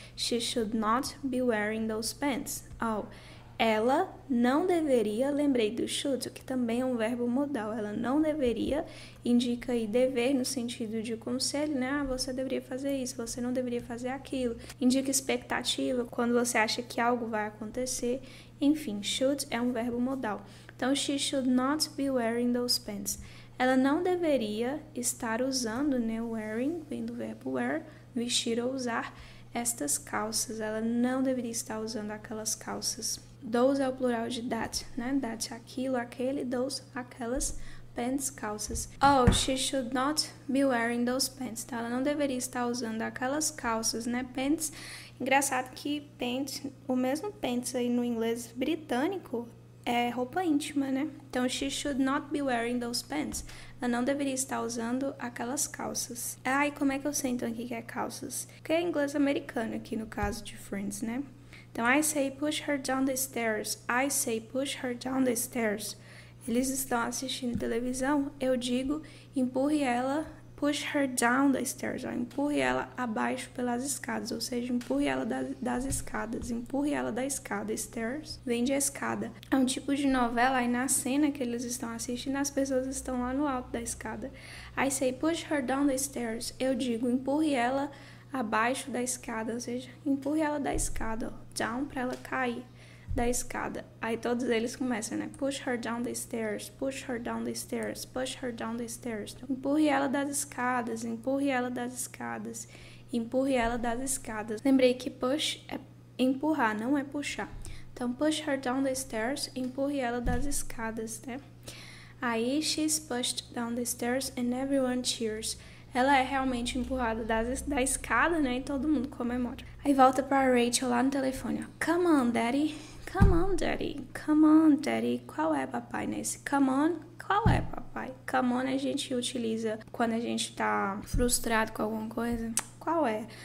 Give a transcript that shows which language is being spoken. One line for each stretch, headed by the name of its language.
English: She should not be wearing those pants.
Portuguese: Oh, ela não deveria, lembrei do should, que também é um verbo modal. Ela não deveria indica aí dever no sentido de conselho, né? Ah, você deveria fazer isso, você não deveria fazer aquilo. Indica expectativa, quando você acha que algo vai acontecer. Enfim, should é um verbo modal. Então,
English: she should not be wearing those pants.
Portuguese: Ela não deveria estar usando, né? Wearing, vem do verbo wear, vestir ou usar estas calças. Ela não deveria estar usando aquelas calças. Those é o plural de that, né? That, aquilo, aquele, those, aquelas, pants, calças.
English: Oh, she should not be wearing those pants.
Portuguese: Então, ela não deveria estar usando aquelas calças, né? Pants. Engraçado que pants, o mesmo pants aí no inglês britânico é roupa íntima, né? Então,
English: she should not be wearing those pants.
Portuguese: Ela não deveria estar usando aquelas calças. Ai, como é que eu sei então aqui que é calças? Porque é inglês americano aqui no caso de Friends, né?
English: Então, I say push her down the stairs. I say push her down the stairs.
Portuguese: Eles estão assistindo televisão. Eu digo empurre ela,
English: push her down the stairs.
Portuguese: Ó. Empurre ela abaixo pelas escadas. Ou seja, empurre ela das escadas. Empurre ela da escada. Stairs vem de escada. É um tipo de novela. Aí na cena que eles estão assistindo, as pessoas estão lá no alto da escada.
English: I say push her down the stairs.
Portuguese: Eu digo empurre ela abaixo da escada, ou seja, empurre ela da escada, ó, down para ela cair da escada. Aí todos eles começam, né?
English: Push her down the stairs, push her down the stairs, push her down the stairs.
Portuguese: Então, empurre ela das escadas, empurre ela das escadas, empurre ela das escadas. Lembrei que push é empurrar, não é puxar. Então,
English: push her down the stairs,
Portuguese: empurre ela das escadas, né?
English: Aí she's pushed down the stairs and everyone cheers.
Portuguese: Ela é realmente empurrada da escada, né? E todo mundo comemora. Aí volta pra Rachel lá no telefone, ó.
English: Come on, daddy. Come on, daddy. Come on, daddy.
Portuguese: Qual é, papai, nesse? Come on, qual é, papai? Come on a gente utiliza quando a gente tá frustrado com alguma coisa. Qual é?